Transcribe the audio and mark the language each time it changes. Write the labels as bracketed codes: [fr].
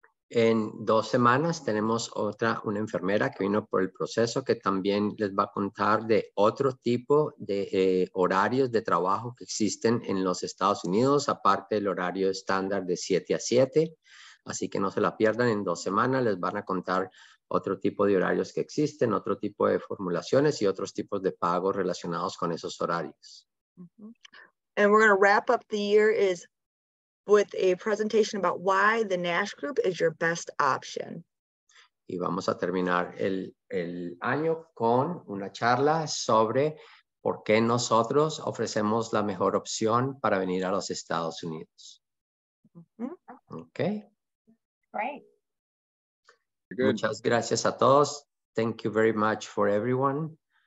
[es] En 2 semanas tenemos una enfermera que vino por el proceso que también les va a contar de otro tipo de horarios de trabajo que existen en los Estados Unidos, aparte del horario estándar de 7 a 7. Así que no se la pierdan, en 2 semanas les van a contar otro tipo de horarios que existen, otro tipo de formulaciones y otros tipos de pagos relacionados con esos horarios. [en] And we're going to wrap up the year is with a presentation about why the NASH group is your best option. [es] Y vamos a terminar el año con una charla sobre por qué nosotros ofrecemos la mejor opción para venir a los Estados Unidos. Mm-hmm. Okay. [en] Great. Good. [es] Muchas gracias a todos. [en] Thank you very much for everyone.